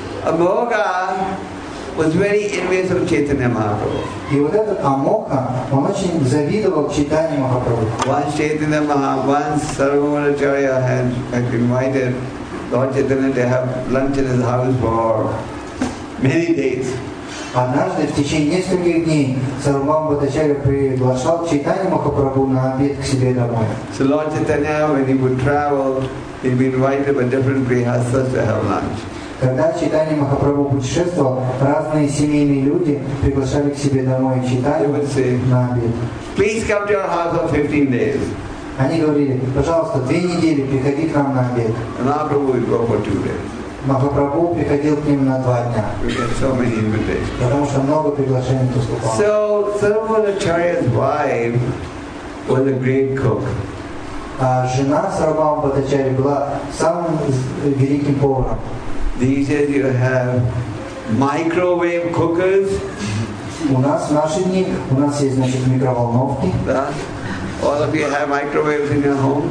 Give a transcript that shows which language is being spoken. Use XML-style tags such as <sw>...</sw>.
<en>Amogha was very envious of Chaitanya Mahaprabhu.</en> <ru>И вот этот Амогха, он очень завидовал Чайтанье Махапрабху.</ru> <en>Once Chaitanya Mahaprabhu, once Sarvamavacharya had invited Lord Chaitanya to have lunch in his house for many days.</en> <ru>Однажды в течение нескольких дней Сарвабхаума Бхаттачарья приглашал Чайтанье Махапрабху на обед к себе домой.</ru> <en>So Lord Chaitanya, when he would travel, he'd be invited by different grihasthas to have lunch.</en> <ru>Когда Чайтанья Махапрабху путешествовал, разные семейные люди приглашали к себе домой Чайтанью на обед.</ru> <en>Please come to our house for 15 days.</en> <ru>Они говорили, пожалуйста, 2 недели приходи к нам на обед.</ru> <en>Махапрабху would go for 2 days.</en> <ru>Махапрабху приходил к ним на 2 дня.</ru> <en>So many invitations.</en> <ru>Потому что много приглашений поступало.</ru> <en>So Sarvamavacharya's wife was a great cook.</en> <ru>А жена Сарвабхаума Бхаттачарьи была самым великим поваром.</ru> <en>These days you have microwave cookers.</en> <ru>У нас в наши дни у нас есть, значит, микроволновки. Да.</ru> <en>All of you have microwaves in your home.</en>